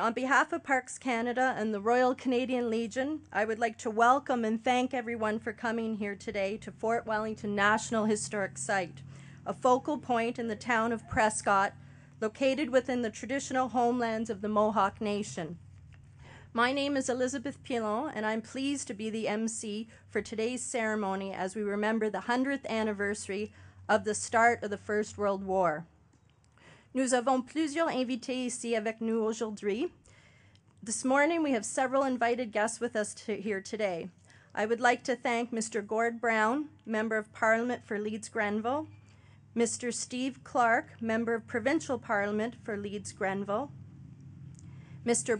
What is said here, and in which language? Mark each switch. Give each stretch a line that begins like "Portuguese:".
English: On behalf of Parks Canada and the Royal Canadian Legion, I would like to welcome and thank everyone for coming here today to Fort Wellington National Historic Site, a focal point in the town of Prescott, located within the traditional homelands of the Mohawk Nation. My name is Elizabeth Pilon, and I'm pleased to be the MC for today's ceremony as we remember the 100th anniversary of the start of the First World War.
French: Nous avons plusieurs invités ici avec nous aujourd'hui.
English: This morning, we have several invited guests with us here today. I would like to thank Mr. Gord Brown, Member of Parliament for Leeds-Grenville, Mr. Steve Clark, Member of Provincial Parliament for Leeds-Grenville, Mr.